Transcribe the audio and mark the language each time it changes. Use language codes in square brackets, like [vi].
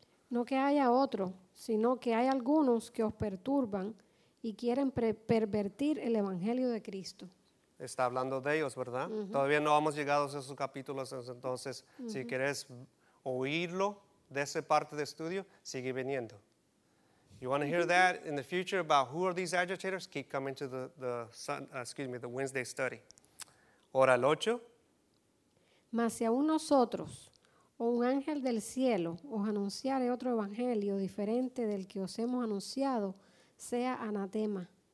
[es] No que haya otro, sino que hay algunos que os perturban y quieren pervertir el evangelio de Cristo. Está hablando de ellos, ¿verdad? Uh-huh. Todavía no hemos llegado a esos capítulos, entonces si quieres oírlo, de esa parte de estudio, sigue viniendo. [en] You want to hear that in the future about who are these agitators? Keep coming to the Wednesday study. [es] Ora el 8. Mas si aún nosotros o un ángel del cielo os anunciare otro evangelio diferente del que os hemos anunciado, sea anatema.